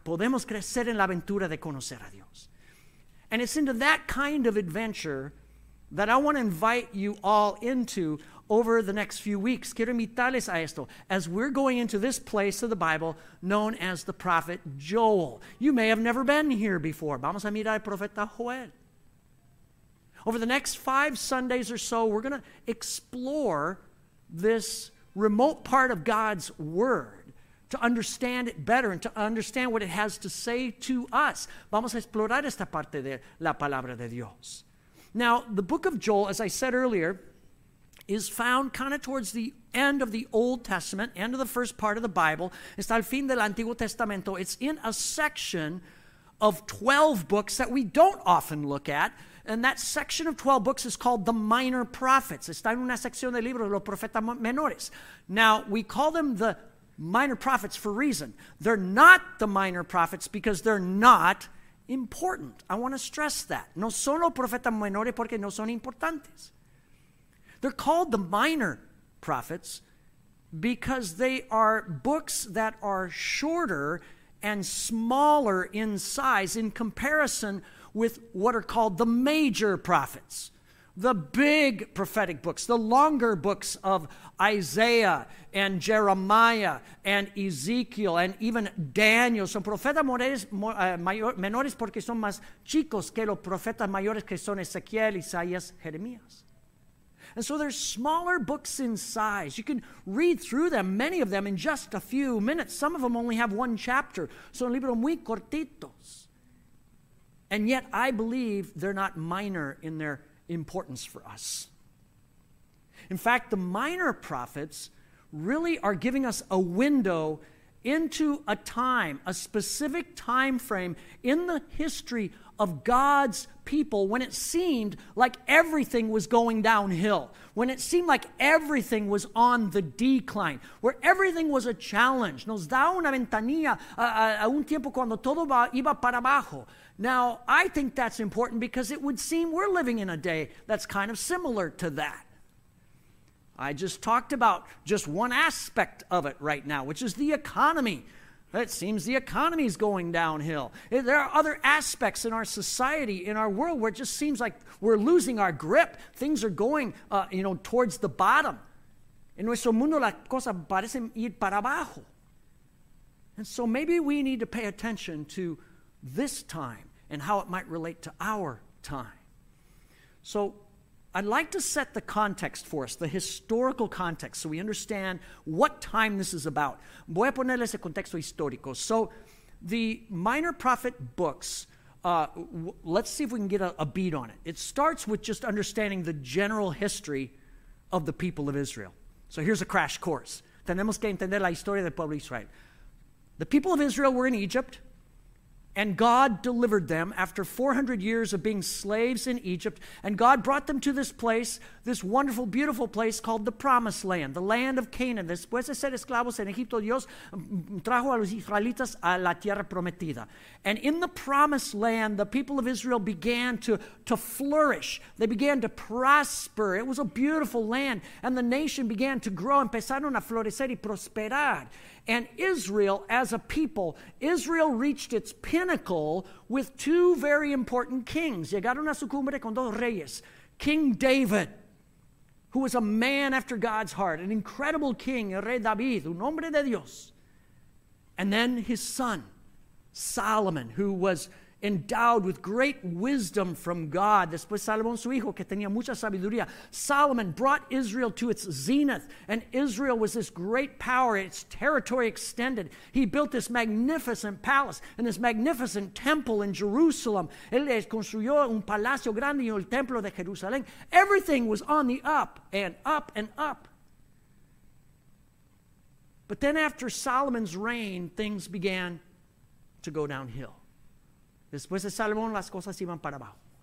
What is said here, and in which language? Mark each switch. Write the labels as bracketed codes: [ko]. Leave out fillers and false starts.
[es] Podemos crecer en la aventura de conocer a Dios. [en] And it's into that kind of adventure that I want to invite you all into over the next few weeks. [es] Quiero invitarles a esto. [en] As we're going into this place of the Bible known as the prophet Joel. You may have never been here before. [es] Vamos a mirar al profeta Joel. [en] Over the next 5 Sundays or so, we're going to explore this remote part of God's word to understand it better and to understand what it has to say to us. [es] Vamos a explorar esta parte de la palabra de Dios. [en] Now, the book of Joel, as I said earlier, is found kind of towards the end of the Old Testament, end of the first part of the Bible. [es] Está al fin del Antiguo Testamento. [en] It's in a section of 12 books that we don't often look at. And that section of 12 books is called the Minor Prophets. [es] Está en una sección del libro de los profetas menores. [en] Now, we call them the Minor Prophets for a reason. They're not the Minor Prophets because they're not important. I want to stress that. [es] No son los profetas menores porque no son importantes. [en] They're called the Minor Prophets because they are books that are shorter and smaller in size in comparison with what are called the Major Prophets, the big prophetic books, the longer books of Isaiah and Jeremiah and Ezekiel and even Daniel. [es] Son profetas menores porque son más chicos que los profetas mayores que son Ezequiel, Isaías, Jeremías. [en] And so they're smaller books in size. You can read through them, many of them, in just a few minutes. Some of them only have one chapter. [es] Son libros muy cortitos. [en] And yet I believe they're not minor in their importance for us. In fact, the minor prophets really are giving us a window into a time, a specific time frame in the history of God's people when it seemed like everything was going downhill, when it seemed like everything was on the decline, where everything was a challenge. [es] Nos da una ventanilla a un tiempo cuando todo iba para abajo. [en] Now, I think that's important because it would seem we're living in a day that's kind of similar to that. I just talked about just one aspect of it right now, which is the economy. It seems the economy is going downhill. There are other aspects in our society, in our world, where it just seems like we're losing our grip. Things are going, towards the bottom. [es] En nuestro mundo las cosas parecen ir para abajo. [en] And so maybe we need to pay attention to this time and how it might relate to our time. So I'd like to set the context for us, the historical context, so we understand what time this is about. [es] Voy a ponerles el contexto histórico. [en] So the Minor Prophet books, let's see if we can get a beat on it. It starts with just understanding the general history of the people of Israel. So here's a crash course. [es] Tenemos que entender la historia del pueblo de Israel. [en] The people of Israel were in Egypt, and God delivered them after 400 years of being slaves in Egypt. And God brought them to this place, this wonderful, beautiful place called the Promised Land, the land of Canaan. [es] Después de ser esclavos en Egipto, Dios trajo a los israelitas a la tierra prometida. [en] And in the Promised Land, the people of Israel began to flourish. They began to prosper. It was a beautiful land. And the nation began to grow. [es] Empezaron a florecer y prosperar. [en] And Israel, as a people, Israel reached its pinnacle with 2 very important kings. [es] Llegaron a su cumbre con 2 reyes. [en] King David who was a man after God's heart, an incredible king, [es] el rey David, un hombre de Dios. [en] And then his son, Solomon, who was endowed with great wisdom from God. [es] Después Salomón, su hijo, que tenía mucha sabiduría. [en] Solomon brought Israel to its zenith, and Israel was this great power, its territory extended. He built this magnificent palace and this magnificent temple in Jerusalem. [es] Él les construyó un palacio grande y el templo de Jerusalén. [en] Everything was on the up and up and up. But then after Solomon's reign, things began to go downhill. [es] Después de Salomón, las cosas iban para abajo.